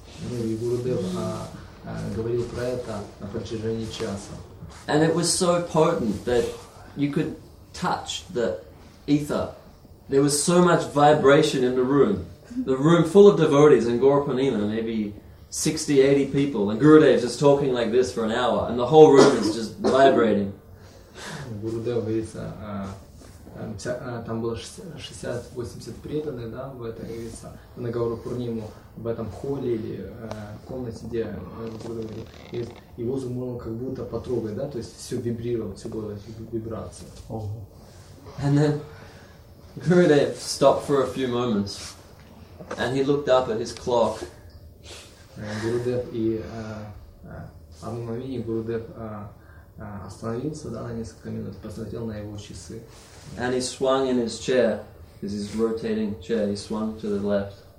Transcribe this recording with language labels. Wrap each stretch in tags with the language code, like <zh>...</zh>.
<en>And it was so potent that you could touch the ether. There was so much vibration in the room. The room full of devotees in Gaurapanima, maybe 60, 80 people. And Gurudev just talking like this for an hour. And the whole room is just vibrating. Gurudev is...</en> <ru>там было 60-80 преданных, да, в этой говорится, на Гаурапурниму, в этом холле или комнате, где его можно как будто потрогать, да, то есть все вибрировало, все было вибрация.</ru> <en>And then Gurudev stopped for a few moments and he looked up at his clock.</en> <ru>Гурудев и одно мгновение Гурудев остановился, да, на несколько минут, посмотрел на его часы.</ru> <en>And he swung in his chair, this is rotating chair, he swung to the left.</en>